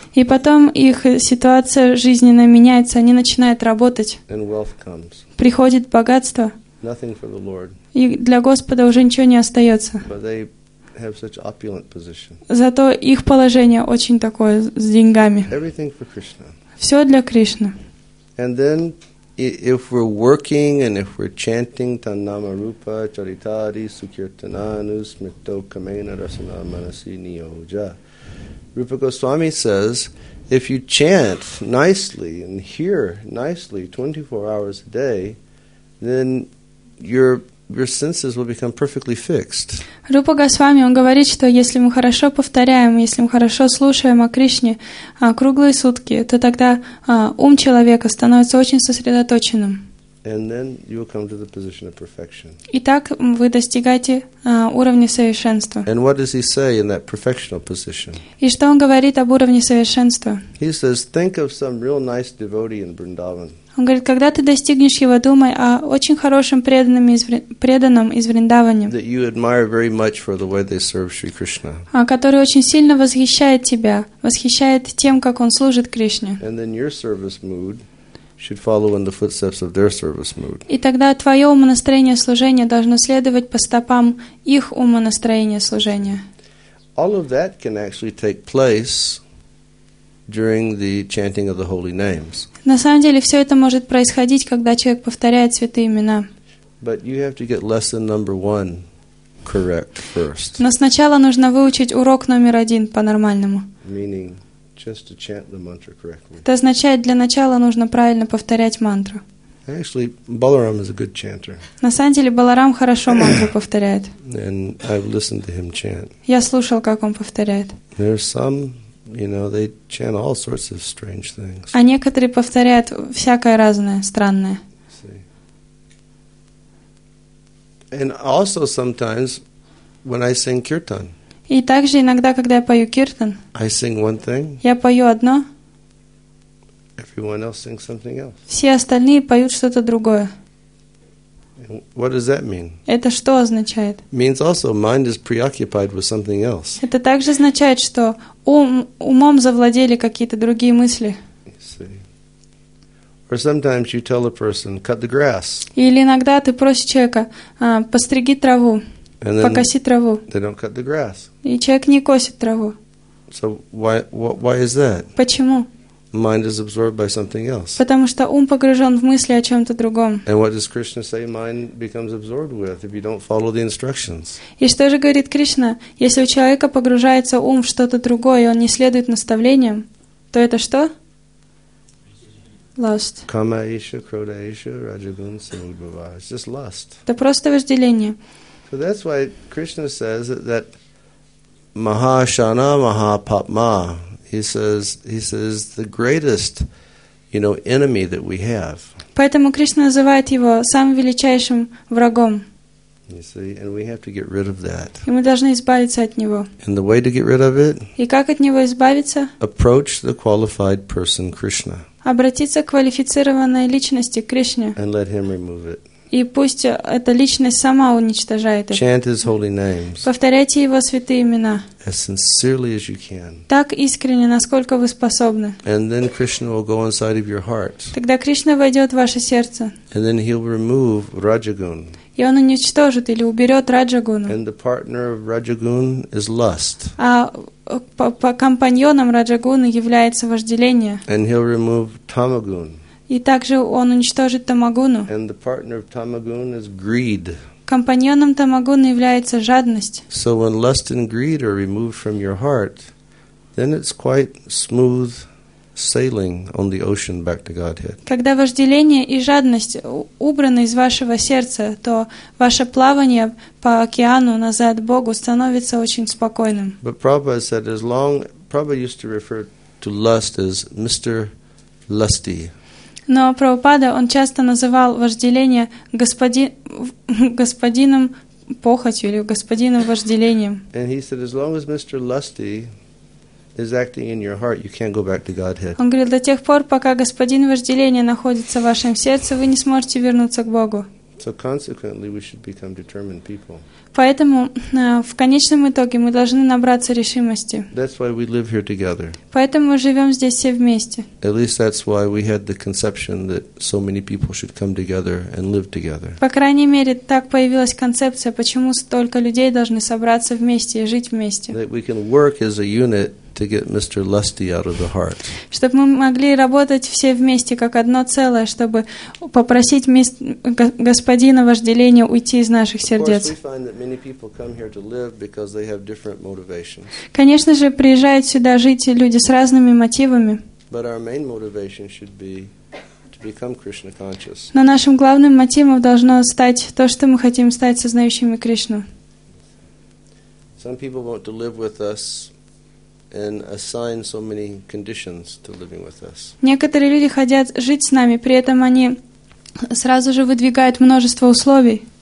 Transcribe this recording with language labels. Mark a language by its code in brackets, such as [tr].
[ru] И потом их ситуация жизненная меняется. Они начинают работать. [en] And wealth comes. [ru] Приходит богатство. [en] Nothing for the Lord. [ru] И для Господа уже ничего не остается. [en] But they have such opulent position. [ru] Зато их положение очень такое с деньгами. [en] Everything for Krishna. [ru] Все для Кришны. [en] And then, if we're working and if we're chanting [sa] Tannama Rupa Charitari Sukirtananu Smrito Kamena Rasana Manasi Niyoja, [en] Rupa Goswami says, if you chant nicely and hear nicely 24 hours a day, then your senses will become perfectly fixed. [ru] Рупа Госвами, он говорит, что если мы хорошо повторяем, если мы хорошо слушаем о Кришне круглые сутки, то тогда ум человека становится очень сосредоточенным. [en] And then you will come to the position of perfection. [ru] И так вы достигаете уровня совершенства. [en] And what does he say in that perfectional position? [ru] И что он говорит об уровне совершенства? [en] He says, think of some real nice devotee in Vrindavan. [ru] Он говорит, когда ты достигнешь его, думай о очень хорошем преданном из Вриндаване, который очень сильно восхищает тебя, восхищает тем, как он служит Кришне. И тогда твое умонастроение служения должно следовать по стопам их умонастроения служения. [en] All of that can actually take place during the chanting of the holy names. [ru] На самом деле, все это может происходить, когда человек повторяет святые имена. [en] But you have to get lesson number one correct first. [ru] Но сначала нужно выучить урок номер один по-нормальному. [en] Meaning just to chant the mantra correctly. [ru] Это означает, для начала нужно правильно повторять мантру. [en] Actually, Balaram is a good chanter. [ru] На самом деле, Баларам хорошо мантру повторяет. [en] And I've listened to him chant. [ru] Я слушал, как он повторяет. [en] There are some, you know, they chant all sorts of strange things. [ru] А некоторые повторяют всякое разное, странное. [en] And also sometimes when I sing kirtan. [ru] И также иногда, когда я пою киртан. [en] I sing one thing. [ru] Я пою одно. [en] Everyone else sings something else. [ru] Все остальные поют что-то другое. [en] What does that mean? [ru] Это что означает? [en] Means also mind is preoccupied with something else. [ru] Это также означает, что умом завладели какие-то другие мысли. [en] Or sometimes you tell a person, cut the grass. [ru] Или иногда ты просишь человека, постриги траву, покоси траву. [en] They don't cut the grass. [ru] И человек не косит траву. [en] So why is that? [ru] Почему? [en] Mind is absorbed by something else. [ru] Потому что ум погружен в мысли о чем-то другом. [en] And what does Krishna say mind becomes absorbed with if you don't follow the instructions? [ru] И что же говорит Кришна, если у человека погружается ум в что-то другое, и он не следует наставлениям, то это что? [en] Lust. [sa] Kama Isha, Krodha Isha, Rajagun, Samudbhava. [en] It's just lust. [ru] Это просто вожделение. [en] So that's why Krishna says that [sa] Mahashana Mahapapma. [en] He says the greatest, you know, enemy that we have. [ru] Поэтому Кришна называет его самым величайшим врагом. [en] You see, and we have to get rid of that. [ru] И мы должны избавиться от него. [en] And the way to get rid of it? [ru] И как от него избавиться? [en] Approach the qualified person, Krishna. [ru] Обратиться к квалифицированной личности, к Кришне. [en] And let him remove it. [ru] И пусть эта личность сама уничтожает это. [en] Chant his holy names. [ru] Повторяйте его святые имена. [en] As sincerely as you can. [ru] Так искренне, насколько вы способны. [en] And then Krishna will go inside of your heart. [ru] Тогда Кришна войдет в ваше сердце. [en] And then he'll remove Rajagun. [ru] И он уничтожит или уберет Раджагуну. [en] And the partner of Rajagun is lust. [ru] А по компаньонам Раджагуны является вожделение. [en] And he'll remove Tamagun. [ru] И также он уничтожит Тамагуну. [en] And the partner of Tamagun is greed. [ru] Компаньоном Тамагуны является жадность. [en] So when lust and greed are removed from your heart, then it's quite smooth sailing on the ocean back to Godhead. [ru] Когда вожделение и жадность убраны из вашего сердца, то ваше плавание по океану назад к Богу становится очень спокойным. [en] But Prabhupada said as long, Prabhupada used to refer to lust as Mr. Lusty. [ru] Но Прабхупада, он часто называл вожделение господином похотью или господином вожделением. [en] And he said, as long as Mr. Lusty is acting in your heart, you can't go back to Godhead. [ru] Он говорил, до тех пор, пока господин вожделения находится в вашем сердце, вы не сможете вернуться к Богу. [en] So consequently, we should become determined people. [ru] Поэтому в конечном итоге мы должны набраться решимости. [en] That's why we live here together. [ru] Поэтому мы живем здесь все вместе. [en] At least that's why we had the conception that so many people should come together and live together. [ru] По крайней мере, так появилась концепция, почему столько людей должны собраться вместе и жить вместе. [en] That we can work as a unit to get Mr. Lusty out of the heart. [ru] Чтобы мы могли работать все вместе как одно целое, чтобы попросить господина вожделения уйти из наших сердец. [en] Of course, we find that many people come here to live because they have different motivations. [ru] Конечно же, приезжают сюда жить люди с разными мотивами. [en] But our main motivation should be to become Krishna conscious. [ru] Но нашим главным мотивом должно стать то, что мы хотим стать сознающими Кришну. [en] Some people want to live with us and assign so many conditions to living with us. [ru] Некоторые люди хотят жить с нами, при этом они сразу же выдвигают множество условий.